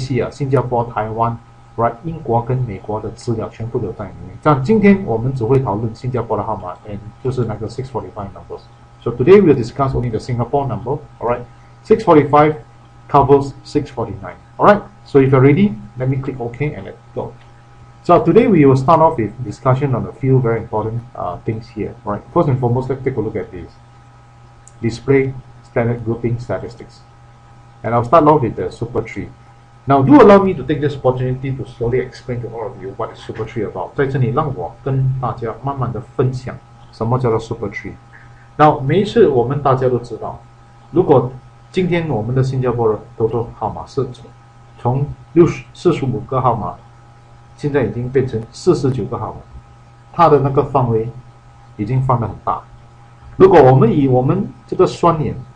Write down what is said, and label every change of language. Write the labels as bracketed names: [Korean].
[Chinese] 你买了这个软件之后，你这里有澳大利亚、香港、马来西亚、新加坡、台湾 right, 英国跟美国的资料全部都在里面。但今天我们只会讨论新加坡的号码 and 就是那个 [English] 645 numbers. So today we'll discuss only the Singapore number. Alright, 645 covers 649. Alright, so if you're ready, let me click OK and let's go. So today we will start off with discussion on a few very important things here, right? First and foremost, let's take a look at this. Display standard grouping statistics. And I'll start off with the super tree. Now do allow me to take this opportunity to slowly explain to all of you what is super tree about. [Chinese] 在这里让我跟大家慢慢的分享什么叫做 super tree. Now 每一次我们大家都知道，如果今天我们的新加坡的 total 号码是从 45个号码 现在已经变成49个号码，它的那个范围已经放得很大。如果我们以我们这个双眼